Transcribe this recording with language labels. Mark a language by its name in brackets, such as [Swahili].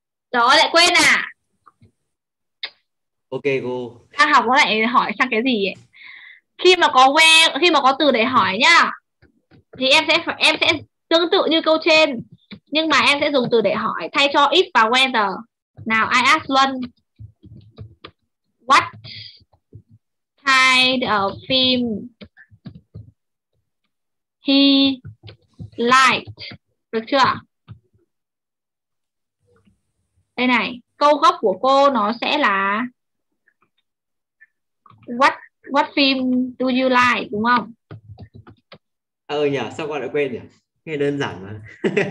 [Vietnamese] Đó, lại quên à? Ok cô. Đang học nó lại hỏi sang cái gì ấy? Khi mà có where, khi mà có từ để hỏi nhá, thì em sẽ tương tự như câu trên, nhưng mà em sẽ dùng từ để hỏi thay cho if và whether. Nào, [English] I ask Luân, what kind of film he liked? [Vietnamese] Được chưa? Đây này, câu gốc của cô nó sẽ là [English] what film do you like, [Vietnamese] đúng không? Nhỉ, sao con lại quên nhỉ? Nghe đơn giản mà.